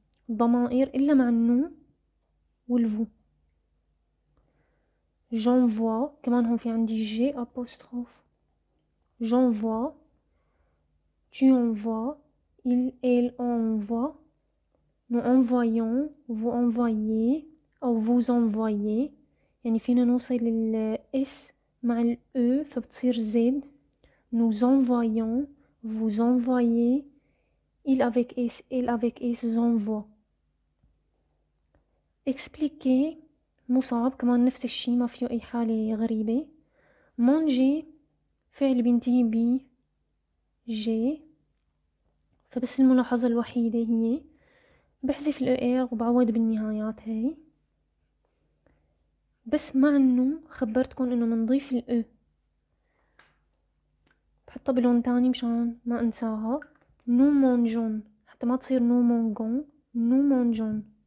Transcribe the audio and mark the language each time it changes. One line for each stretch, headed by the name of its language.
Arabic: الضمائر الا مع النو والفو جانفوا كمان هون في عندي جي ابوستروف
French: J'envoie, tu envoies, il, elle envoie, nous envoyons, vous envoyez,
Arabic: ou vous envoyez. يعني فينا نوصل الاس مع الاو فبتصير زد.
French: Nous envoyons, vous envoyez, il avec s, elle avec s, envoie. Expliquez,
Arabic: مصعب كمان نفس الشي ما فيه اي حالة غريبة.
French: Manger.
Arabic: فعل بينتهي ب جي فبس الملاحظة الوحيدة هي بحذف الاو ار وبعوض بالنهايات هاي بس مع انه خبرتكم انه منضيف الاو بحطها بلون تاني مشان ما انساها نو مونجون حتى ما تصير نو مونجون نو مونجون.